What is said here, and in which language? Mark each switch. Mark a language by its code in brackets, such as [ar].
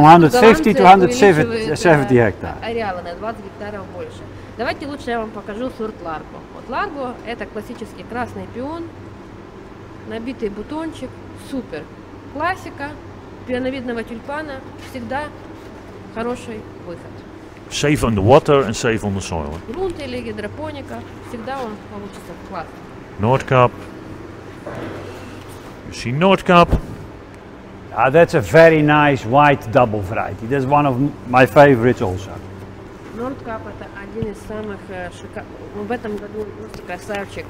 [en] From 150 to 170 hectare. [ru] Ареалы на 20 гектаров больше. Давайте лучше я вам покажу сорт Largo. Вот Largo это классический красный пион, набитый бутончик, супер. Классика, пионовидного тюльпана, всегда хороший выход. [en] Safe on the water and safe on the soil. [ru] Грунт или гидропоника, всегда он получится классный. [en] Nordkap. You see Nordkap. Ah, that's a very nice white double variety. That's one of my favorites also. [ru] Nordkap это один из самых шикарных. В этом году просто красавчик.